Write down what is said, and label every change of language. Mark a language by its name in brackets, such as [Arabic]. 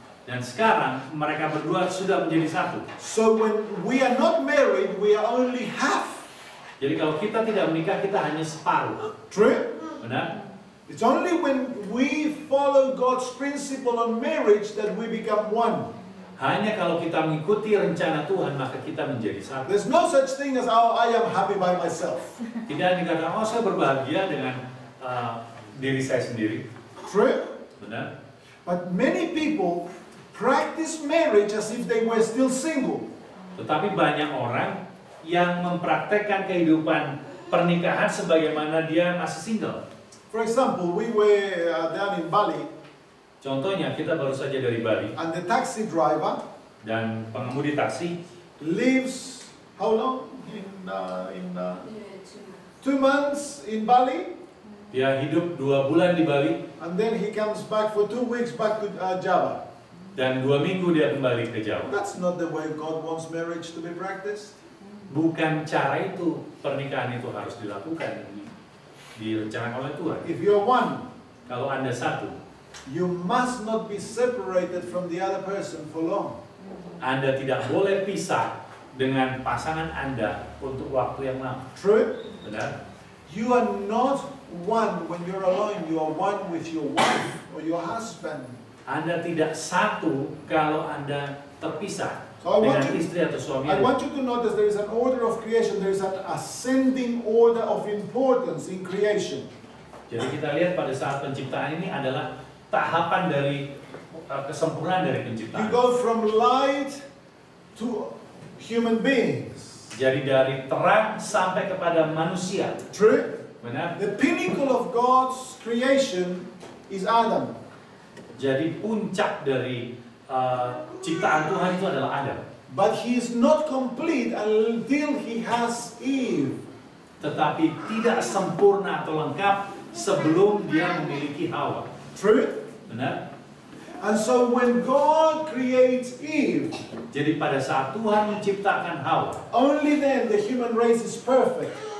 [Indonesian] Dan sekarang mereka berdua sudah menjadi satu. [English] So when we are not married, we are only half. [Indonesian] Jadi kalau kita tidak menikah, kita hanya separuh. [English] True. [Indonesian] Benar. [English] It's only when we follow God's principle on marriage that we become one. [Indonesian] Hanya kalau kita mengikuti rencana Tuhan, maka kita menjadi satu. [English] There's no such thing as oh, I am happy by myself. [Indonesian] Tidak dikatakan oh, saya berbahagia dengan diri saya sendiri. [English] True. [Indonesian] Benar. [English] But many people practice marriage as if they were still single. [Indonesian] Tetapi banyak orang yang mempraktekkan kehidupan pernikahan sebagaimana dia masih single. [English] For example, we were down in Bali. [Indonesian] Contohnya kita baru saja dari Bali. [English] And the taxi driver [Indonesian] dan pengemudi taksi [English] lives how long in two months in Bali. [Indonesian] Dia hidup 2 bulan di Bali. [English] And then he comes back for 2 weeks back to Java. [Indonesian] Dan 2 minggu dia kembali ke Jawa. [English] That's not the way God wants marriage to be practiced. [Indonesian] Bukan cara itu pernikahan itu harus dilakukan. Direncanakan oleh Tuhan. [English] If you are one, [Indonesian] kalau Anda satu, [English] you must not be separated from the other person for long. [Indonesian] Anda tidak boleh pisah dengan pasangan Anda untuk waktu yang lama. [English] True. [Indonesian] Benar. [English] You are not one when you're alone. You are one with your wife or your husband. [Indonesian] Anda tidak satu kalau Anda terpisah dengan istri atau suami. [English] I want you to notice there is an order of creation. There is an ascending order of importance in creation. [Indonesian] Jadi kita lihat pada saat penciptaan ini adalah tahapan dari kesempurnaan dari penciptaan. [English] You go from light to human beings. [Indonesian] Jadi dari terang sampai kepada manusia. [English] True. [Indonesian] Benar. [English] The pinnacle of God's creation is Adam. [Indonesian] Jadi puncak dari ciptaan Tuhan itu adalah Adam. [English] But he is not complete until he has Eve. [Indonesian] Tetapi tidak sempurna atau lengkap sebelum dia memiliki Hawa. [English] True. [Indonesian] Benar. [English] And so when God creates Eve, [Indonesian] jadi pada saat Tuhan menciptakan Hawa, [English] only then the human race is perfect.